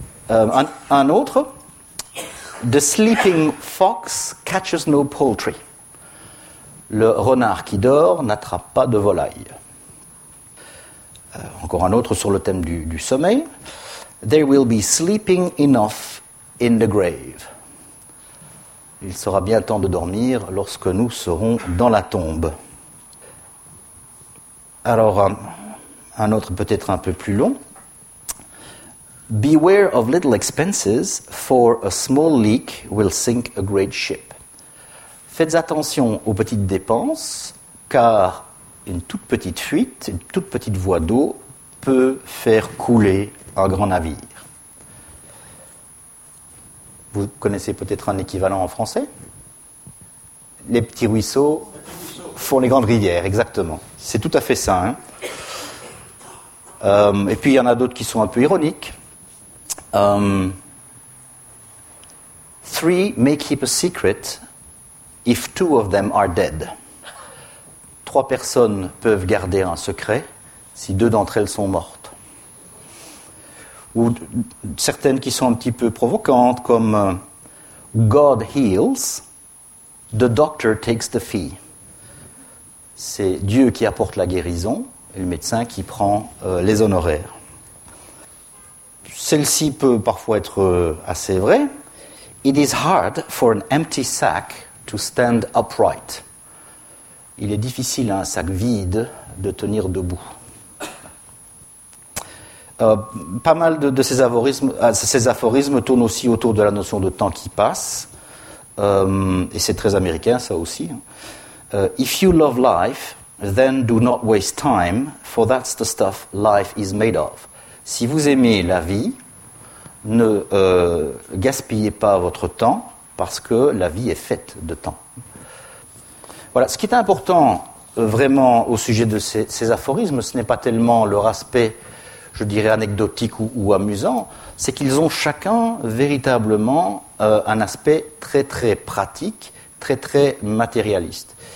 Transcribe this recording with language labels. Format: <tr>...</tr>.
<fr>Un autre,</fr> <en>The sleeping fox catches no poultry.</en> <fr>Le renard qui dort n'attrape pas de volaille. Encore un autre sur le thème du sommeil.</fr> <en>There will be sleeping enough in the grave.</en> <fr>Il sera bien temps de dormir lorsque nous serons dans la tombe. Alors, un autre peut-être un peu plus long.</fr> <en>Beware of little expenses, for a small leak will sink a great ship.</en> <fr>Faites attention aux petites dépenses, car une toute petite fuite, une toute petite voie d'eau peut faire couler un grand navire. Vous connaissez peut-être un équivalent en français ? Les petits ruisseaux font les grandes rivières, exactement. C'est tout à fait ça. Hein? Et puis il y en a d'autres qui sont un peu ironiques.</fr> <en>Three may keep a secret if two of them are dead.</en> <fr>Trois personnes peuvent garder un secret si deux d'entre elles sont mortes. Ou certaines qui sont un petit peu provocantes, comme</fr> <en>God heals, the doctor takes the fee.</en> <fr>C'est Dieu qui apporte la guérison et le médecin qui prend les honoraires. Celle-ci peut parfois être assez vraie.</fr> <en>It is hard for an empty sack to stand upright.</en> <fr>Il est difficile à un sac vide de tenir debout. Pas mal de ces aphorismes tournent aussi autour de la notion de temps qui passe. Et c'est très américain, ça aussi.</fr> <en>If you love life, then do not waste time, for that's the stuff life is made of.</en> <fr>Si vous aimez la vie, ne gaspillez pas votre temps, parce que la vie est faite de temps. Voilà, ce qui est important vraiment au sujet de ces aphorismes, ce n'est pas tellement leur aspect, je dirais, anecdotique ou amusant, c'est qu'ils ont chacun véritablement un aspect très très pratique, très très matérialiste.</fr>